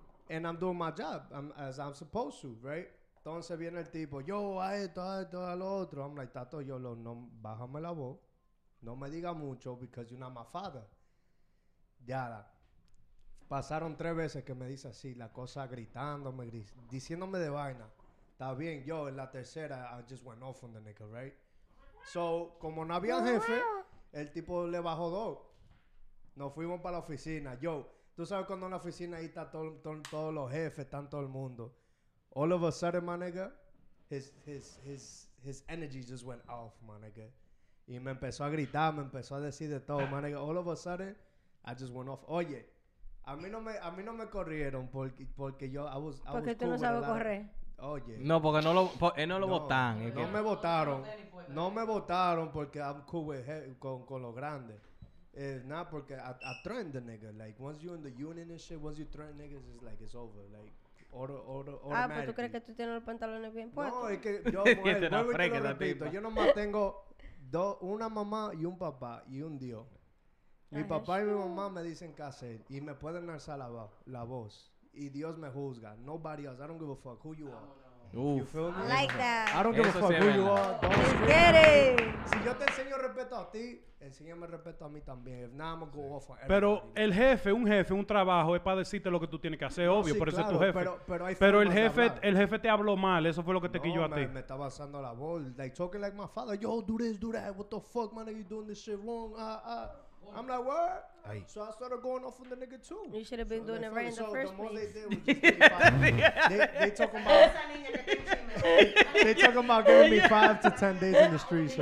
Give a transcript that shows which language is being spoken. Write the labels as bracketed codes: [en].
[en] And I'm doing my job, as I'm supposed to, right? [es] Entonces viene el tipo, yo, a esto, a lo otro. [en] I'm like, [es] tato, yo, lo, no, bájame la voz. No me diga mucho, [en] because you're not my father. [es] Ya, pasaron tres veces que me dice así, la cosa gritándome, diciéndome de vaina. Está bien, yo, en la tercera, [en] I just went off on the nigga, right? [es] So, como no había jefe, el tipo le bajó dos. Nos fuimos para la oficina. Yo, tú sabes cuando en la oficina ahí está todos los jefes, están todo el mundo. [en] All of a sudden, my nigga, his energy just went off, my nigga. [es] Y me empezó a gritar, me empezó a decir de todo, [en] my nigga. All of a sudden, I just went off. [es] Oye, a mí no me corrieron porque yo, porque tú no sabes correr. Oye. No, porque no lo, él no lo votan. No, no me votaron. No me votaron porque [en] I'm cool with [es] con los grandes. [en] Nah, porque I train the nigga. Like, once you're in the union and shit, once you train niggas, it's like, it's over. Like, [es] Ah, pues tú crees que tú tienes los pantalones bien puestos. No, es que yo, mujer, vuelvo y te lo repito. Yo nomás tengo una mamá y un papá y un Dios. Mi papá y mi mamá me dicen qué hacer y me pueden alzar la voz. Y Dios me juzga. [en] Nobody else. I don't give a fuck who you are. Uf. You feel me? I like that. I don't give a fuck who you are. Don't get it. [es] Si yo te enseño respeto a ti, enséñame respeto a mí también. [en] If not, I'm gonna go off on. [es] Pero el jefe, un jefe, un trabajo, es para decirte lo que tú tienes que hacer, obvio, sí, por claro, eso es tu jefe. Pero el jefe te habló mal, eso fue lo que te quilló a ti. Me estaba alzando la voz. [en] Like, talking like my father. Yo, do this, what the fuck, man, are you doing this shit wrong? I'm like, what? Ay. So I started going off on the nigga too. You should have been doing it right in the first place. So the more they did was just they talking about giving me 5 to 10 days in the street.